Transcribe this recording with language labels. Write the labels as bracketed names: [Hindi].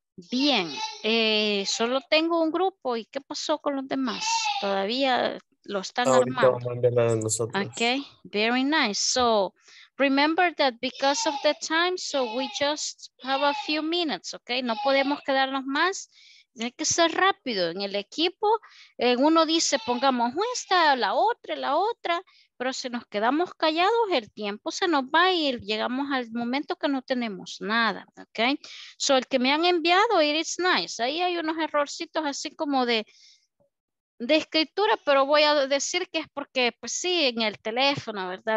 [Spanish] Bien, solo tengo un grupo y ¿qué pasó con los demás? Todavía lo están armando. [English] Okay, very nice. So remember that because of the time, so we just have a few minutes, okay? [Spanish] No podemos quedarnos más. Tiene que ser rápido en el equipo. Uno dice, pongamos esta, la otra, pero si nos quedamos callados, el tiempo se nos va y llegamos al momento que no tenemos nada, ¿ok? So, el que me han enviado, [English] it is nice. [Spanish] Ahí hay unos errorcitos así como de escritura, pero voy a decir que es porque, pues sí, en el teléfono, ¿verdad?